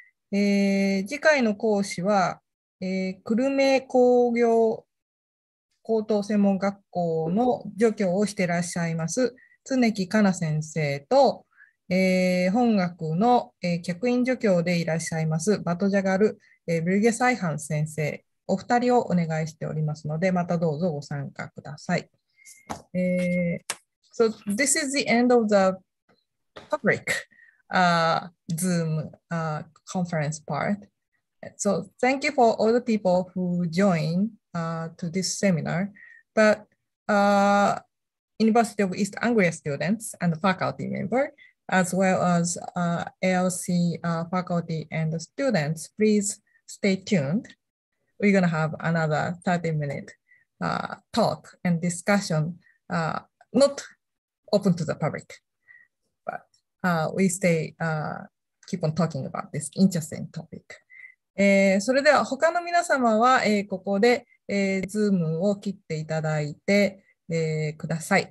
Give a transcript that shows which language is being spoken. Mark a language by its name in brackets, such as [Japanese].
[Japanese] 次回の講師は、久留米工業高等専門学校の助教をしていらっしゃいます常木かな先生と、本学の、客員助教でいらっしゃいますバトジャガル、ブルゲサイハン先生お二人をお願いしておりますのでまたどうぞご参加ください。 [English] So this is the end of the public Zoom conference part. So thank you for all the people who join to this seminar. But University of East Anglia students and the faculty member, as well as ALC faculty and the students, please stay tuned. We're going to have another 30-minute talk and discussion, not open to the public, but we stay, keep on talking about this interesting topic. [Japanese] それでは他の皆様は、ここで、Zoom を切っていただいて、ください。